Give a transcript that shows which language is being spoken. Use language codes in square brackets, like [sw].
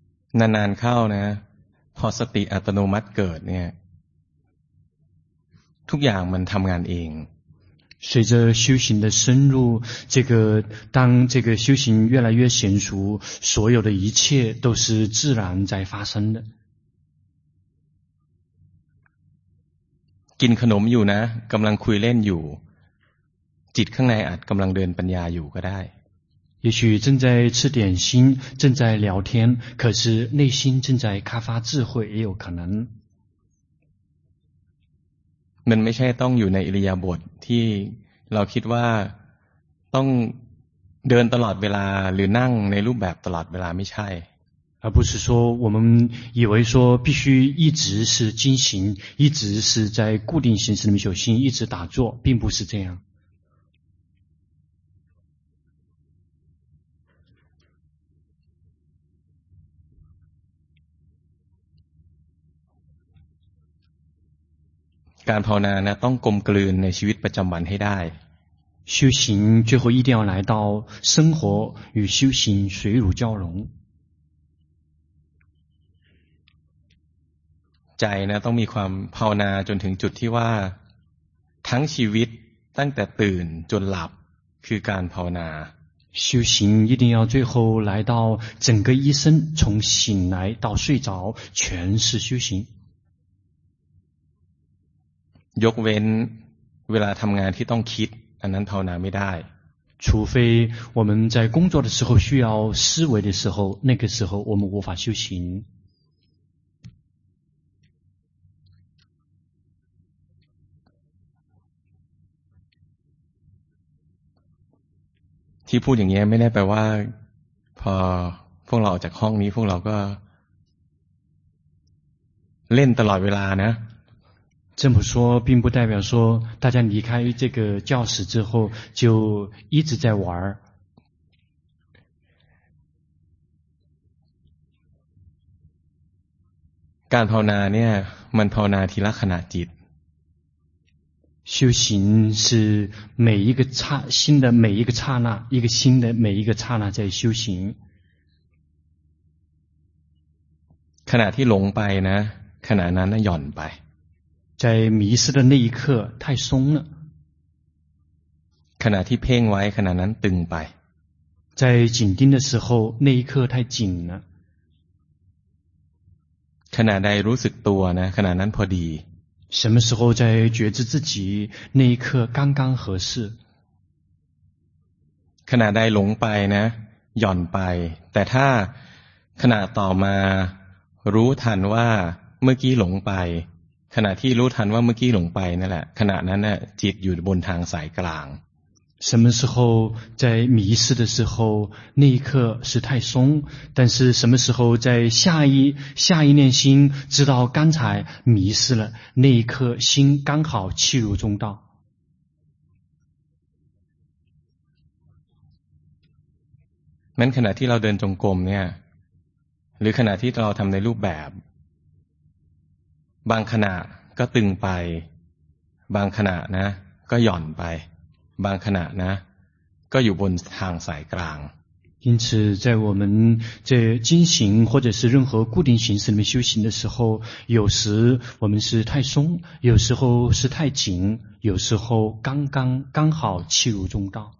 [th] นานๆเข้านะพอสติอัตโนมัติเกิดเนี่ยทุกอย่างมันทำงานเอง [zh] 随着修行的深入这个当这个修行越来越娴熟所有的一切都是自然在发生的 [th] กินขนมอยู่นะกำลังคุยเล่นอยู่เจ จิตข้างในอาจกำลังเดินปัญญาอยู่ก็ได้ [zh] 也许正在吃点心正在聊天可是内心正在开发智慧也有可能 [th] มันไม่ใช่ต้องอยู่ในอิริยาบถที่เราคิดว่าต้องเดินตลอดเวลาหรือนั่งในรูปแบบตลอดเวลาไม่ใช่ [zh] 而不是说我们以为说必须一直是进行一直是在固定形式里面修行一直打坐并不是这样 [th] การภาวนาเนี่ยต้องกลมกลืนในชีวิตประจำวันให้ได้ [zh] 修行最后一定要来到生活与修行水乳交融 [th] ใจนะต้องมีความภาวนาจนถึงจุดที่ว่าทั้งชีวิตตั้งแต่ตื่นจนหลับคือการภาวนา [zh] 修行一定要最后来到整个一生从醒来到睡着全是修行 [th] ยกเว้นเวลาทำงานที่ต้องคิดอันนั้นภาวนาไม่ได้ [zh] 除非我们在工作的时候需要思维的时候那个时候我们无法修行 [th] ที่พูดอย่างนี้ไม่ได้แปลว่าพอพวกเราออกจากห้องนี้พวกเราก็เล่นตลอดเวลานะ [zh] 这么说并不代表说大家离开这个教室之后就一直在玩 [th] การภาวนาเนี่ยมันภาวนาทีละขณะจิต [zh] 修行是每一个刹心的每一个刹那，一个心的每一个刹那在修行。 [th] ขณะที่หลงไปนะขณะนั้นหย่อนไป [zh] 在迷失的那一刻太松了。 [th] ขณะที่เพ่งไว้ขณะนั้นตึงไป [zh] 在紧盯的时候那一刻太紧了。 [th] ขณะใดรู้สึกตัวนะขณะนั้นพอดี [zh] 什么时候在觉知自己那一刻刚刚合适 [th] ขณะใดหลงไปนะหย่อนไปแต่ถ้าขณะต่อมารู้ทันว่าเมื่อกี้หลงไปขณะที่รู้ทันว่าเมื่อกี้หลงไปนั่นแหละขณะนั้นน่ะจิตอยู่บนทางสายกลาง [zh] 什么时候在迷失的时候那一刻是太松但是什么时候在下一念心知道刚才迷失了那一刻心刚好契入中道 [th] มันขณะที่เราเดินจงกรมเนี่ยหรือขณะที่เราทำในรูปแบบบางขณะก็ตึงไปบางขณะนะก็หย่อนไปบางขณะนะก็อยู่บนทางสายกลาง [zh] 因此在我们在进行或者是任何固定形式里面修行的时候有时我们是太松有时候是太紧有时候刚刚刚好契入中道